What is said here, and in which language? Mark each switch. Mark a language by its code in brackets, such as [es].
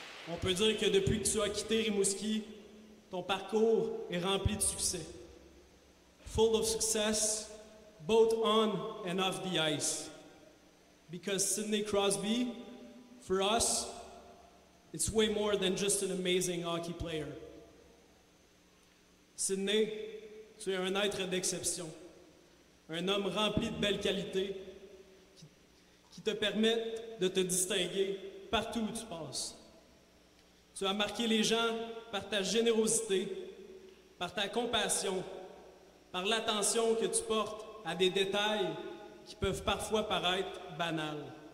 [fr] On peut dire que depuis que tu as quitté Rimouski, ton parcours est rempli de succès. [en] Full of success, both on and off the ice. Because Sidney Crosby, for us, it's way more than just an amazing hockey player. [fr] Sidney, tu es un être d'exception. Un homme rempli de belles qualités qui te permettent de te distinguer partout où tu passes. Tu as marqué les gens par ta générosité, par ta compassion, par l'attention que tu portes à des détails qui peuvent parfois paraître banals.